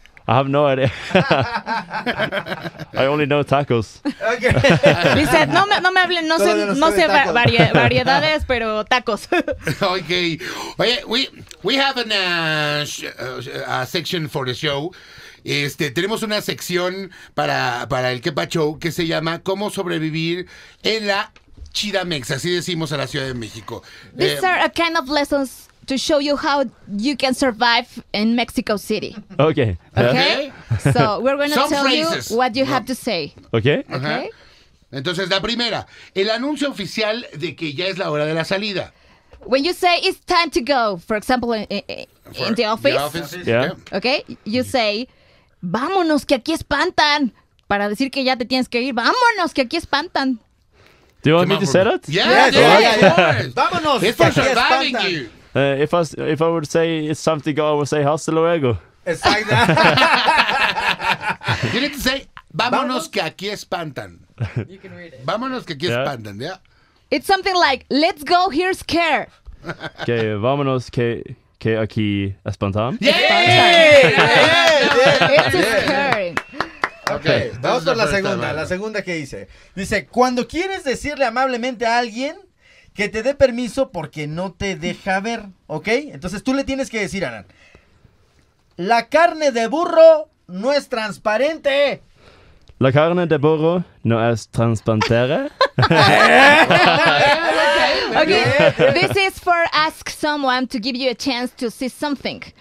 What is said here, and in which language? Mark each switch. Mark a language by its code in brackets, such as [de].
[en] I have no idea. I only know tacos. Okay. [es] Dice, no me hablen, no sé variedades, pero tacos. [en] Okay. Oye, we have an a section for the show. [es] Tenemos una sección para el Quepa Show que se llama ¿Cómo sobrevivir en la Chidamex, así decimos a la Ciudad de México. [en] These are a kind of lessons to show you how you can survive in Mexico City. Okay. Okay. So we're going to tell phrases. You what you have to say. Okay. Okay. [es] Entonces, la primera, el anuncio oficial de que ya es la hora de la salida. [en] When you say it's time to go, for example, in the office. The office. Yeah. [es] Okay. [en] You say, [es] vámonos que aquí espantan. Para decir que ya te tienes que ir. Vámonos que aquí espantan. [en] Do you want me to say that? Yeah, of course. It's for surviving you. If I would say it's time to go, I would say [es] hasta luego. [en] Exactly. You need to say, [es] vámonos que aquí espantan. [en] You can read it. [es] Vámonos que aquí espantan, [en] yeah. It's something like, let's go, here's care. [es] Okay, vámonos que aquí espantan. [en] Yeah! It's just caring. [es] Okay, vamos con la segunda que dice. Dice, cuando quieres decirle amablemente a alguien que te dé permiso porque no te deja ver, ¿ok? Entonces tú le tienes que decir, Alan, la carne de burro no es transparente. La carne de burro no es transparente. [en] Okay, this is for ask someone to give you a chance to see something.